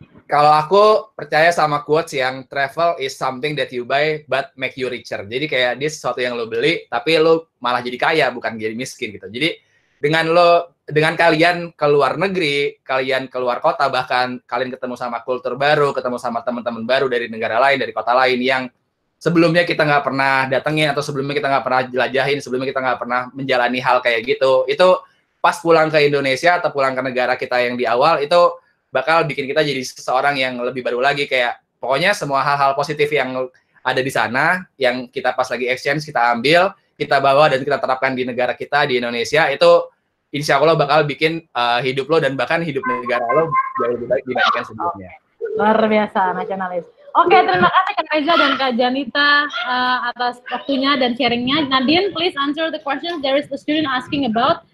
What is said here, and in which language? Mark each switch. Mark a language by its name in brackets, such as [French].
[Indonesian] Kalau aku percaya sama quotes yang [English] travel is something that you buy but make you richer. [Indonesian] Jadi kayak dia sesuatu yang lo beli tapi lo malah jadi kaya bukan jadi miskin gitu. Jadi dengan lo, dengan kalian keluar negeri, kalian keluar kota, bahkan kalian ketemu sama kultur baru, ketemu sama teman-teman baru dari negara lain, dari kota lain yang sebelumnya kita nggak pernah datengin atau sebelumnya kita nggak pernah jelajahin, sebelumnya kita nggak pernah menjalani hal kayak gitu, itu pas pulang ke Indonesia atau pulang ke negara kita yang di awal, itu bakal bikin kita jadi seseorang yang lebih baru lagi. Kayak pokoknya semua hal-hal positif yang ada di sana, yang kita pas lagi exchange, kita ambil, kita bawa dan kita terapkan di negara kita, di Indonesia, itu insya Allah bakal bikin hidup lo dan bahkan hidup negara lo jauh lebih baik dibandingkan sebelumnya. Luar biasa, nasionalis. Oke, terima kasih Kak Reza dan Kak Janita atas waktunya dan sharingnya. [English] Nadine, please answer the question there is a student asking about.